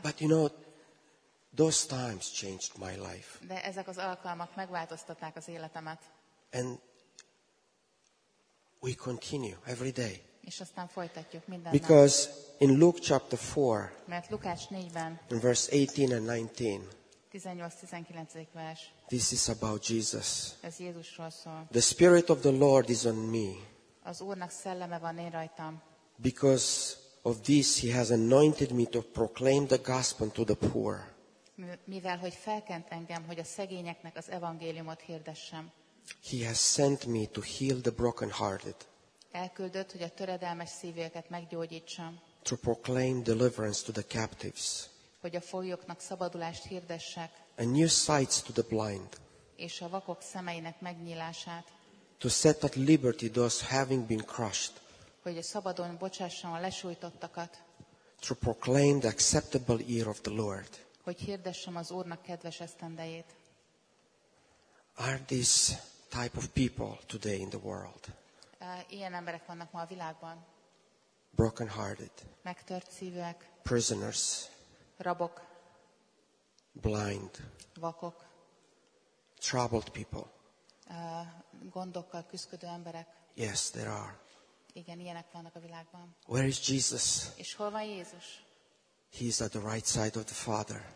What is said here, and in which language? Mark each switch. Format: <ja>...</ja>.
<en>But you know, those times changed my life.</en> <hu>De ezek az alkalmak megváltoztatták az életemet.</hu> <en>And we continue every day.</en> <hu>És aztán folytatjuk minden.</hu> <en>Because</en> <hu>nap.</hu> <en>In Luke chapter 4,</en> <hu>mert Lukács 4-ben,</hu> <en>in verse 18 and 19,</en> <hu>18-19.</hu> <en>This is about Jesus.</en> <hu>Ez Jézusról szól.</hu> <en>The Spirit of the Lord is on me.</en> <hu>Az Úrnak szelleme van én rajtam.</hu> <en>Because of this, he has anointed me to proclaim the gospel to the poor.</en> <hu>Mivel hogy felkent engem, hogy a szegényeknek az evangéliumot hirdessem.</hu> <en>He has sent me to heal the brokenhearted.</en> <hu>Elküldött, hogy a töredelmes szívőket meggyógyítsam.</hu> <en>To proclaim deliverance to the captives.</en> <hu>Hogy a foglyoknak szabadulást hirdessek.</hu> <en>And new sights to the blind.</en> <hu>és a vakok szemeinek megnyílását.</hu> <en>To set at liberty those having been crushed.</en> <hu>Hogy a szabadon bocsássam a lesújtottakat.</hu> <en>To proclaim the acceptable year of the Lord.</en> <hu>Hogy hirdessem az Úrnak kedves esztendejét.</hu> <en>Are these type of people today in the world?</en> <hu>Ilyen emberek vannak ma a világban.</hu> <en>Broken hearted.</en> <hu>Megtört szívűek.</hu> <en>Prisoners.</en> <hu>Rabok.</hu> <en>Blind.</en> <hu>Vakok.</hu> <en>Troubled people.</en> <hu>Gondokkal küszködő emberek.</hu> <en>Yes, there are.</en> <hu>Igen, ilyenek vannak a világban.</hu> <en>Where is Jesus?</en> <hu>És hol van Jézus?</hu> <en>He is at the right side of the Father.</en>